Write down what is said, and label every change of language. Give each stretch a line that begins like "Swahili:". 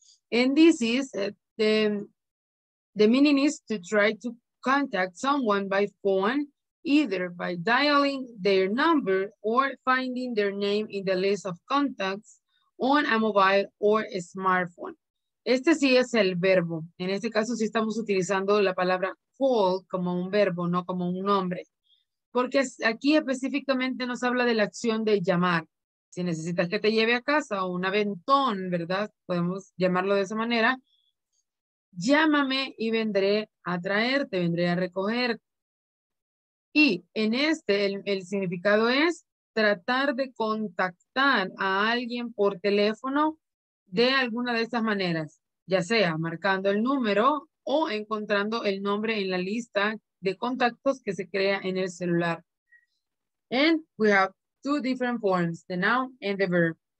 English: And this is, the meaning is to try to contact someone by phone either by dialing their number or finding their name in the list of contacts on a mobile or a smartphone.
Spanish: Este sí es el verbo. En este caso sí estamos utilizando la palabra call como un verbo, no como un nombre. Porque aquí específicamente nos habla de la acción de llamar. Si necesitas que te lleve a casa o un aventón, ¿verdad? Podemos llamarlo de esa manera. Llámame y vendré a traerte, vendré a recoger. Y en este el significado es tratar de contactar a alguien por teléfono de alguna de estas maneras, ya sea marcando el número o encontrando el nombre en la lista de contactos que se crea en el celular.
English: And we have two different forms, the noun and the verb.